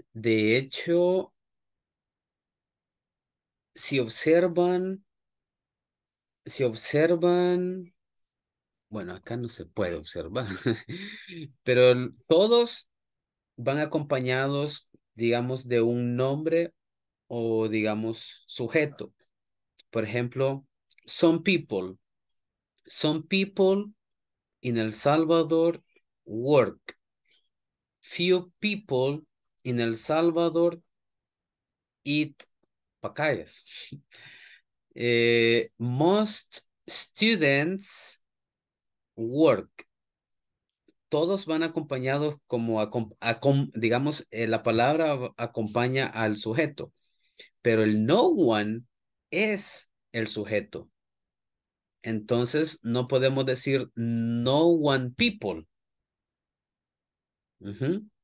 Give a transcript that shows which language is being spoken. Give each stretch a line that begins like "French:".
Spanish: De hecho, si observan, bueno, acá no se puede observar, pero todos van acompañados, digamos, de un nombre o, digamos, sujeto. Por ejemplo,
English: some people in El Salvador work, few people in El Salvador eat pacayas, most students work.
Spanish: Todos van acompañados como, digamos, la palabra acompaña al sujeto, pero el no one es el sujeto. Entonces, no podemos decir no one people. Uh-huh.